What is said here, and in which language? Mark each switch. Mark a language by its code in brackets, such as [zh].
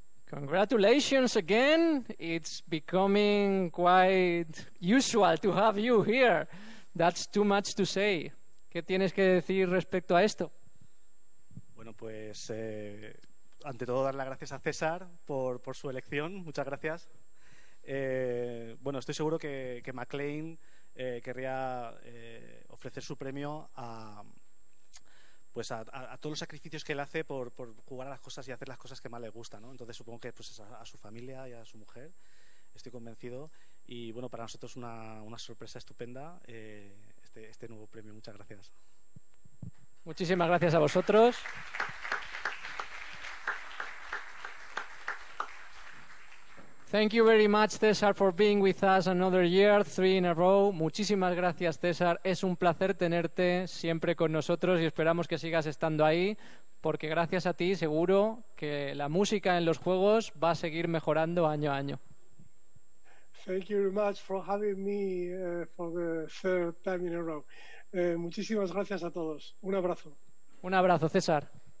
[en] Congratulations. Congratulations again. It's becoming quite usual to have you here. That's too much to say. [es] ¿Qué tienes que decir respecto a esto? Bueno, pues ante todo dar las gracias a César por su elección. Muchas gracias. Bueno, estoy seguro que McLean querría ofrecer su premio a todos los sacrificios que él hace por jugar a las cosas y hacer las cosas que más le gustan, ¿no? Entonces supongo que pues a su familia y a su mujer, estoy convencido. Y bueno, para nosotros una sorpresa estupenda este nuevo premio. Muchas gracias. Muchísimas gracias a vosotros. [en] Thank you very much, César, for being with us another year, 3 in a row. [es] Muchísimas gracias, César. Es un placer tenerte siempre con nosotros y esperamos que sigas estando ahí, porque gracias a ti seguro que la música en los juegos va a seguir mejorando año a año. [en] Thank you very much for having me for the third time in a row. [es] Muchísimas gracias a todos. Un abrazo. Un abrazo, César.